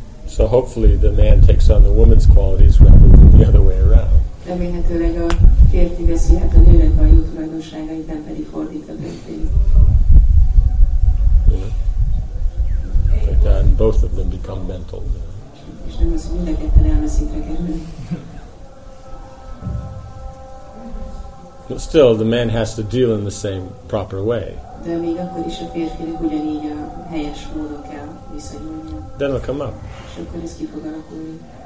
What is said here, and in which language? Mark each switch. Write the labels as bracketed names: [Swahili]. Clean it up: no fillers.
[English] So hopefully the man takes on the woman's qualities rather than the other way around. [Hungarian] Remélhetőleg a férfi veszi, hát a nőnek a jó tulajdonságait, nem pedig fordítva történik. [English] Yeah. Like and both of them become mental. [Hungarian] És nem az, hogy mind a ketten elmeszintre kerülni. [English] But still, the man has to deal in the same proper way. [Hungarian] De még akkor is a férfinek ugyanígy a helyes módon kell viszonyulni. [English] Then it'll come up. [Hungarian] És akkor ez ki fog alakulni.